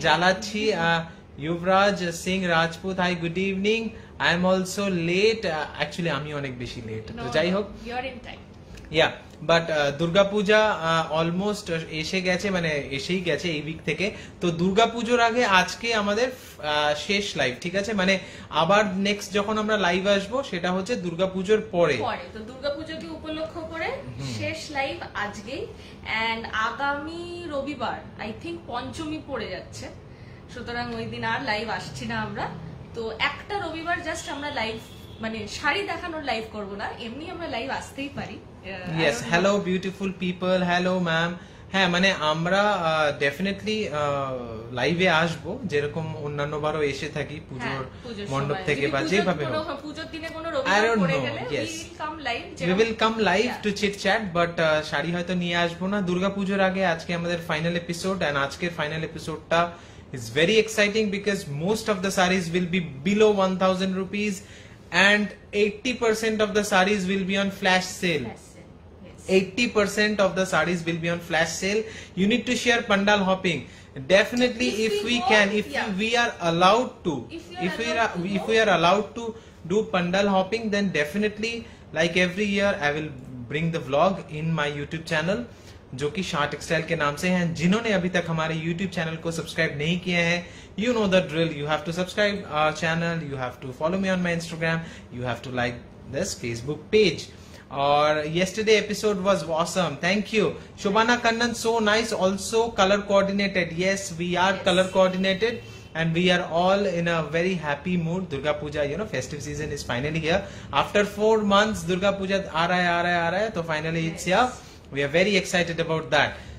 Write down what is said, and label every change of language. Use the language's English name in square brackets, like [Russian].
[English] जालाछी Yuvraj Singh Rajput hi good evening I am also late. [Bangla] Actually, আমি অনেক বেশি late. [English] No, [Bangla] যাই হোক. [English] You're in time. Yeah, but [Bangla] Durga Puja almost এসে গেছে মানে এসেই গেছে এই week থেকে. তো দুর্গা পূজোর আগে আজকে আমাদের শেষ live. ঠিক আছে? মানে আবার next যখন আমরা live আসবো সেটা হচ্ছে দুর্গা পূজোর পরে. পরে. তো দুর্গা পূজোকে উপলক্ষ করে শেষ live আজকে. And আগামী রবিবার [English] I think [Bangla] পঞ্চমী পড়ে যাচ্ছে. সুতরাং ওই দিন আর live আসছি না আমরা. তো একটা রবিবার জাস্ট আমরা লাইভ মানে শাড়ি দেখানোর লাইভ করব না এমনি আমরা লাইভ আসতেই পারি [English] yes hello beautiful people hello ma'am [Bangla] হ্যাঁ মানে আমরা ডেফিনেটলি লাইভে আসব যেরকম অন্যান্য বারও এসে থাকি পূজোর মণ্ডপ থেকে বা যেভাবে পূজোর দিনে কোনো রবিবার পড়ে গেলে [English] we will come live to chit chat but [Bangla] sari হয়তো নিয়ে আসব না দুর্গা পূজোর আগে আজকে আমাদের ফাইনাল এপিসোড এন্ড আজকের final এপিসোডটা [English] It's very exciting because most of the sarees will be below 1000 rupees and 80% of the sarees will be on flash sale. Flash sale. Yes. 80% of the sarees will be on flash sale. You need to share pandal hopping. Definitely if we are allowed to do pandal hopping then definitely like every year I will bring the vlog in my YouTube channel. [Hindi] जो कि Shah textile के नाम से हैं जिन्होंने अभी तक हमारे YouTube चैनल को सब्सक्राइब नहीं किया है [English] you know the drill you have to subscribe our channel you have to follow me on my Instagram you have to like this Facebook page और yesterday episode was awesome thank you Shobhana Kannan so nice also colour coordinated yes we are colour coordinated and we are all in a very happy mood Durga Puja you know festive season is finally here after 4 months [Hindi] Durga Puja आ रहा है तो [English] Finally it's here We are very excited about that.